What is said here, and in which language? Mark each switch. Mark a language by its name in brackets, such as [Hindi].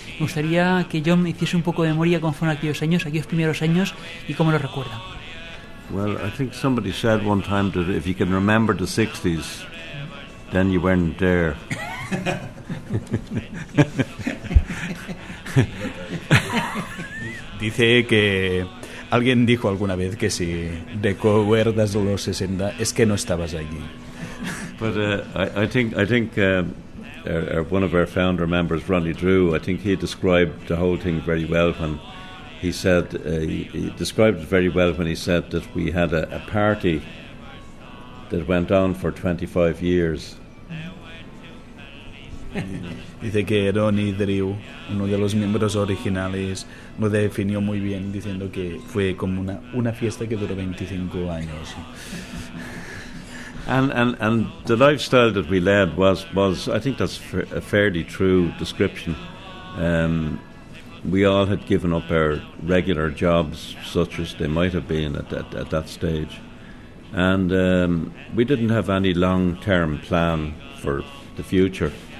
[Spanish] Me gustaría que John me hiciese un poco de memoria cómo fueron aquellos años, aquellos primeros años, y cómo los recuerda. [English] Well, I think somebody said one time that if you can remember the 60s, then you weren't there. [Spanish] Dice que alguien dijo alguna vez que si recuerdas los 60 es que no estabas allí. [English] But I think one of our founder members, Ronnie Drew, I think he described the whole thing very well when he said that we had a party that went on for 25 years. [Spanish] Dice que Ronnie Drew, uno de los miembros originales, lo definió muy bien diciendo que fue como una fiesta que duró 25 años. [English] And the lifestyle that we led was I think that's a fairly true description. We all had given up our regular jobs, such as they might have been at that stage, and we didn't have any long-term plan for the future.